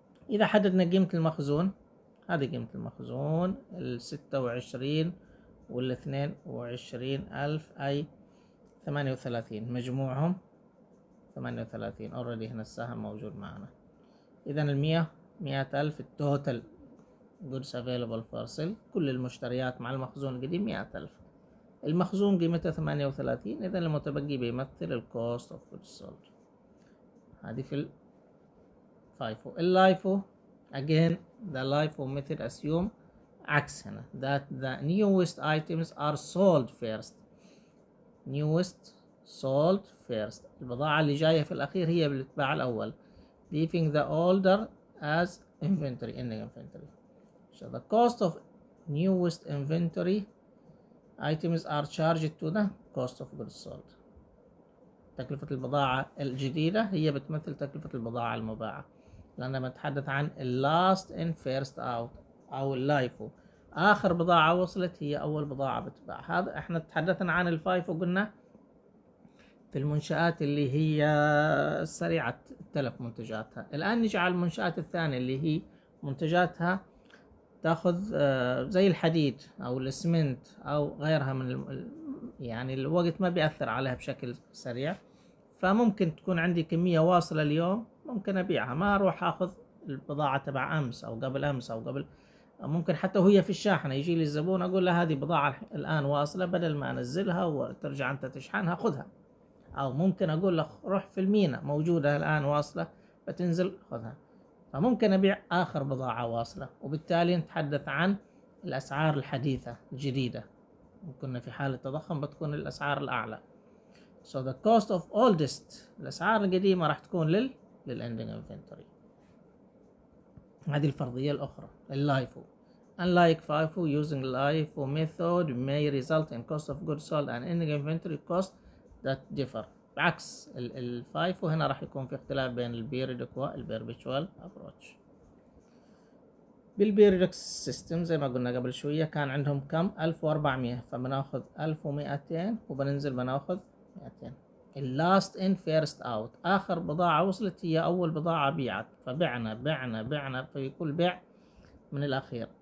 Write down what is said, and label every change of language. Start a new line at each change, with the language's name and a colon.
Arabic: اذا حددنا قيمة المخزون، هذه قيمة المخزون 26 و22000 اي 38 مجموعهم 38، اوريدي هنا السهم موجود معنا. اذا 100000
English: التوتال goods available for sale,
Arabic: كل المشتريات مع المخزون القديم 100000، المخزون قيمته 38، اذا المتبقي بيمثل
English: الكوست of goods sold.
Arabic: هذه في الفايفو.
English: اللايفو again the LIFO method assume
Arabic: عكس هنا،
English: that the newest items are sold first. newest sold first،
Arabic: البضاعة اللي جاية في الأخير هي اللي تباع الأول،
English: leaving the older as inventory in the inventory. so the cost of newest inventory items are charged to the cost of goods sold.
Arabic: تكلفة البضاعة الجديدة هي بتمثل تكلفة البضاعة المباعة، لأننا بنتحدث عن last in first out أو LIFO، آخر بضاعة وصلت هي أول بضاعة بتباع. هذا إحنا تحدثنا عن الفايفو، قلنا في المنشآت اللي هي سريعة تلف منتجاتها. الآن نجي على المنشآت الثانية اللي هي منتجاتها تأخذ زي الحديد أو الإسمنت أو غيرها من يعني الوقت ما بيأثر عليها بشكل سريع، فممكن تكون عندي كمية واصلة اليوم ممكن أبيعها، ما أروح أخذ البضاعة تبع أمس أو قبل أمس أو قبل، ممكن حتى وهي في الشاحنة يجي لي الزبون أقول له هذه بضاعة الآن واصلة، بدل ما أنزلها وترجع أنت تشحنها خذها، أو ممكن أقول له روح في الميناء موجودة الآن واصلة بتنزل خذها، فممكن أبيع آخر بضاعة واصلة. وبالتالي نتحدث عن الأسعار الحديثة الجديدة، وكنا في حالة تضخم بتكون الأسعار الأعلى.
English: So the cost of oldest،
Arabic: الأسعار القديمة راح تكون لل
English: ending inventory.
Arabic: هذه الفرضية الأخرى LIFO.
English: Unlike FIFO, using LIFO method may result in cost of goods sold and ending inventory cost that differ.
Arabic: بعكس الفايفو هنا راح يكون في اختلاف بين البيريدك والبيربيتشوال ابروتش. بالبيريدك سيستم زي ما قلنا قبل شويه كان عندهم كم 1400، فبناخذ 1200 وبننزل بناخذ 200. اللاست ان فيرست اوت، اخر بضاعه وصلت هي اول بضاعه بيعت، فبعنا بعنا بعنا في كل بيع من الاخير.